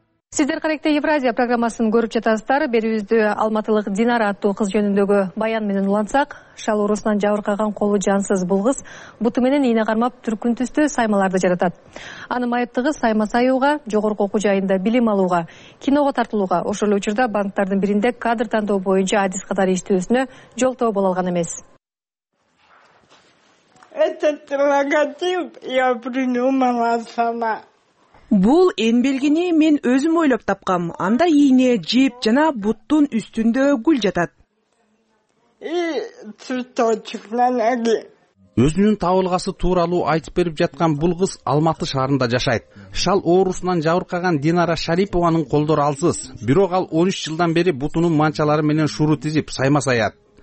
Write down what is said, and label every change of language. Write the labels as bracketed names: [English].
[Kyrgyz] Сиздер керектүү Евразия программасын көрүп жатасыздар. Берүүбүздө алматылык Динара аттуу кыз жөнүндөгү баян менен улантсак, шал оорусунан жабыркаган колу жансыз бул кыз буту менен ийне кармап түркүн түстүү саймаларды жаратат. Анын майыптыгы сайма саюуга, жогорку окуу жайында билим алууга, киного тартылууга, ошол эле учурда банктардын биринде кадр тандоо боюнча адис катары иштөөсүнө жол тоо боло алган эмес. [Russian] Этот логотип я придумала сама. [Kyrgyz] Бул эмбелгини мен өзүм ойлоп тапкам. Анда ийне, жип жана буттун үстүндө гүл жатат. Өзүнүн табылгасы тууралуу айтып берип жаткан бул кыз Алматы шаарында жашайт. Шал оорусунан жабыркаган Динара Шарипованын колдору алсыз, бирок ал 13 жылдан бери бутунун манчалары менен шуру тизип сайма саят.